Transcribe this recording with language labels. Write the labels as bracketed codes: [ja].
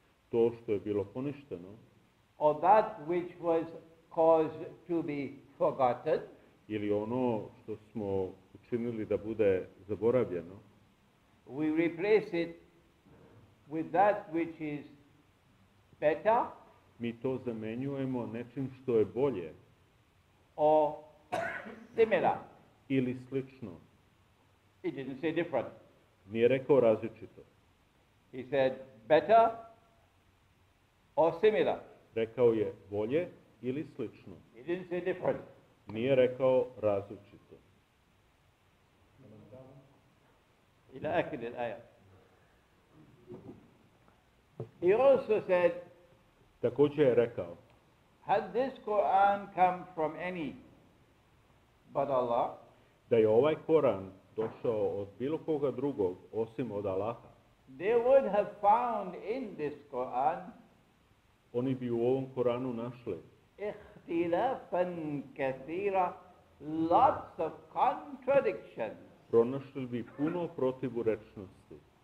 [sr] To što je bilo poništeno. [en] Or that which was caused to be forgotten. [sr] Ili ono što smo učinili da bude zaboravljeno. [en] We replace it with that which is better. [sr] Mi to zamenjujemo nečim što je bolje. [en] Or similar. [sr] Ili slično. [en] He didn't say different. [sr] Nije rekao različito. [en] He said better or similar. [sr] Rekao je bolje ili slično. [en] He didn't say different. [sr] Nije rekao različito. [ar] Ila akhir al-ayah. [en] He also said, [sr] također je rekao, [en] had this Quran come from any but Allah, [sr] da je ovaj Koran došao od bilo koga drugog osim od Allaha, [en] they would have found in this Quran, [sr] oni bi u ovom Koranu našli [ar] ihtilafan kathira, [en] lots of contradictions, [sr] pronašli bi puno protivurečnosti.